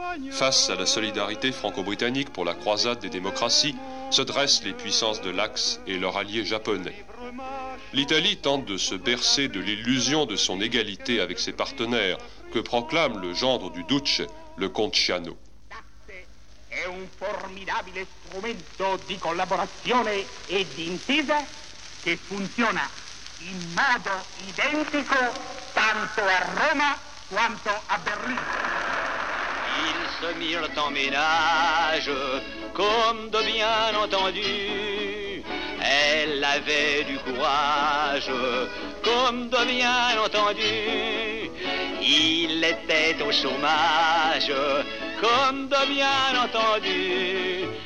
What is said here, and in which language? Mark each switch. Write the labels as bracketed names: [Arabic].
[French] Face à la solidarité franco-britannique pour la croisade des démocraties, se dressent les puissances de l'Axe et leur allié japonais. L'Italie tente de se bercer de l'illusion de son égalité avec ses partenaires, que proclame le gendre du Duce, le comte Ciano. [Italian] È un formidabile strumento di collaborazione e di intesa che funziona in modo identico tanto a Roma quanto a Berlino. [French] Ils se mirent en ménage, comme de bien entendu. Elle avait du courage, comme de bien entendu. Il était au chômage, comme de bien entendu.